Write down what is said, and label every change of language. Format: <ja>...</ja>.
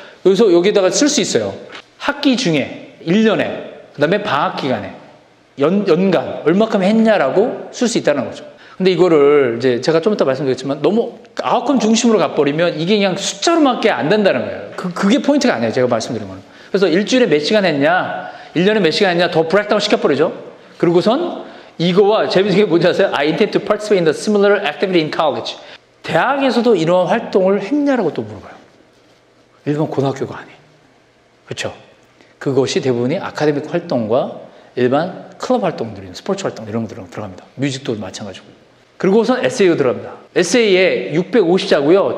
<ko>여기서 여기에다가 쓸 수 있어요. 학기 중에 1년에 그다음에 방학 기간에 연간 얼마큼 했냐라고 쓸 수 있다는 거죠. 근데 이거를 이제 제가 좀 이따 말씀드렸지만 너무 아웃컴 중심으로 가버리면 이게 그냥 숫자로밖에 안 된다는 거예요. 그게 포인트가 아니에요. 제가 말씀드린 거는. 그래서 일주일에 몇 시간 했냐, 1년에 몇 시간 했냐 더 브렉다운 시켜버리죠. 그리고선 이거와 재밌는 게 뭔지 아세요?</ko> <en>I intend to participate in the similar activity in college.</en> <ko>대학에서도 이런 활동을 했냐라고 또 물어봐요. 일반 고등학교가 아니에요. 그렇죠? 그것이 대부분이 아카데믹 활동과 일반 클럽 활동들이, 스포츠 활동 이런 것들은 들어갑니다. 뮤직도 마찬가지고. 그리고선 에세이가 들어갑니다. 에세이에 650자고요.</ko>